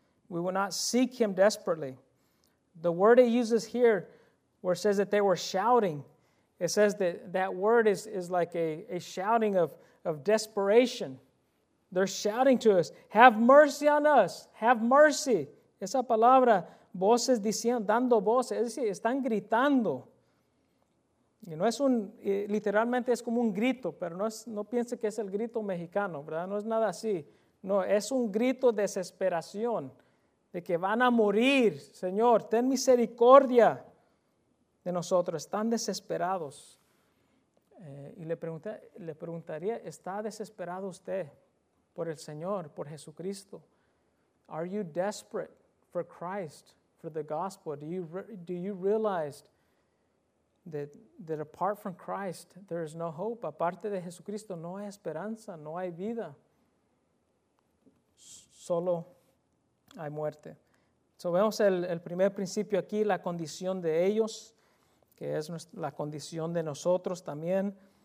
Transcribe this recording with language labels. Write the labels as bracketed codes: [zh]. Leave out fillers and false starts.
[en] We will not seek him desperately. The word it uses here, where it says that they were shouting, it says that that word is like a shouting of desperation. They're shouting to us, have mercy on us, have mercy. [es] Esa palabra, voces diciendo, dando voces, es decir, están gritando. Y no es un, literalmente es como un grito, pero no piense que es el grito mexicano, ¿verdad? No es nada así. No, es un grito de desesperación, de que van a morir. Señor, ten misericordia de nosotros. Están desesperados. Y le preguntaría, ¿está desesperado usted por el Señor, por Jesucristo? [en] Are you desperate for Christ, for the gospel? Do you realize that apart from Christ, there is no hope? [es] Aparte de Jesucristo, no hay esperanza, no hay vida. Solo hay muerte. So vemos el primer principio aquí, la condición de ellos, que es la condición de nosotros también.